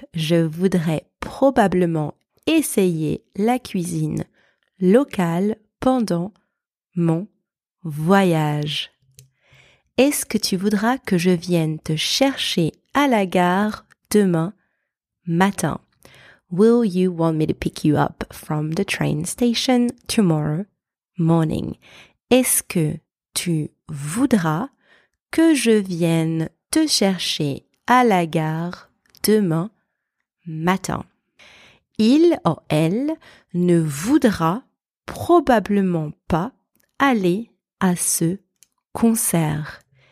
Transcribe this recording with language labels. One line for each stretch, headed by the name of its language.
French: Je voudrais probablement essayer la cuisine locale pendant mon voyage. Est-ce que tu voudras que je vienne te chercher à la gare demain matin?
English: Will you want me to pick you up from the train station tomorrow morning?
French: Est-ce que tu voudras que je vienne te chercher à la gare demain matin? Il ou elle ne voudra probablement pas aller à ce concert.